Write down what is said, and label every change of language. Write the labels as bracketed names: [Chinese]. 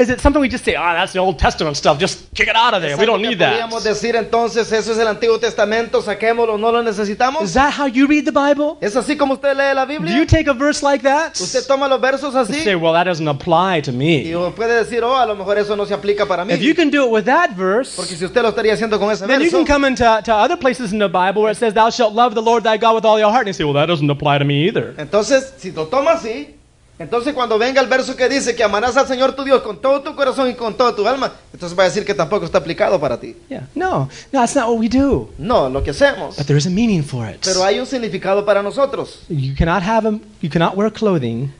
[English] Is it something we just say, that's the Old Testament stuff, just kick it out of there, we don't need that? [Spanish] ¿Podríamos decir, entonces, eso es el Antiguo Testamento, saquémoslo, no lo necesitamos? [English] Is that how you read the Bible? [Spanish] ¿Es así como usted lee la Biblia? [English] Do you take a verse like that? [Spanish] ¿Usted toma los versos así? [English] You say, well, that doesn't apply to me. [Spanish] Y puede decir, a lo mejor eso no se aplica para mí. [English] If you can do it with that verse, [Spanish] porque si usted lo estaría haciendo con ese [English] then [Spanish] verso. [English] You can come into other places in the Bible where it says thou shalt love the Lord thy God with all your heart and you say, well, that doesn't apply to me either. [Spanish] Entonces, si lo toma así, entonces cuando venga el verso que dice que amarás al Señor tu Dios con todo tu corazón y con toda tu alma, entonces va a decir que tampoco está aplicado para ti. [English] Yeah. No, that's not what we do. [Spanish] No, lo que hacemos. [English] But there is a meaning for it. [Spanish] Pero hay un significado para nosotros. [English] You cannot wear clothing